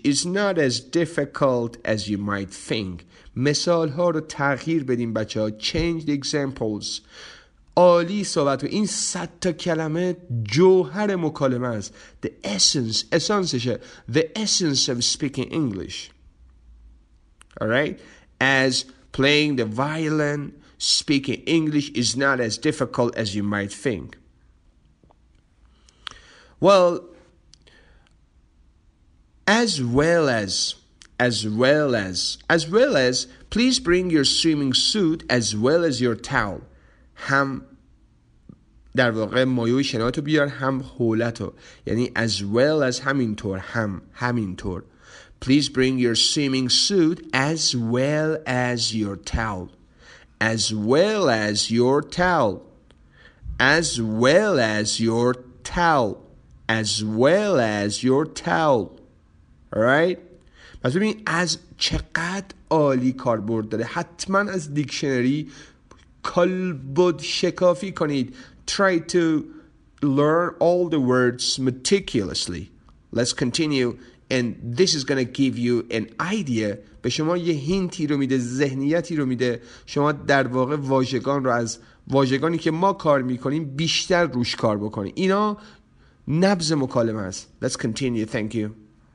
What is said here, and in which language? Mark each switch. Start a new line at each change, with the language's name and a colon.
English: Speaking English is not as difficult as you might think.
Persian: مثال ها رو تغییر بدیم بچه ها.
English: Change the examples.
Persian: عالی صحبت. این 100 تا کلمه جوهر مکالمه است.
English: The essence of speaking English. Alright? As playing the violin, speaking English is not as difficult as you might think. Well as, please bring your swimming suit as well as your towel.
Persian: هم در واقع مایو شناتو بیار هم حولتو. یعنی as well as همینطور. همینطور. Please bring your swimming suit as well as your towel. As well as your towel. As well as your towel. as well as your towel. Alright? پس ببین از چقدر عالی کاربرد داره. حتما از دیکشنری کالبد شکافی کنید.
English: Try to learn all the words meticulously. Let's continue. And this is going to give you an idea.
Persian: به شما یه هینتی رو میده، ذهنیتی رو میده. شما در واقع واژگان رو از واژگانی که ما کار میکنیم بیشتر روش کار بکنید. اینا نبض مکالمه است.
English: Let's continue. Thank you.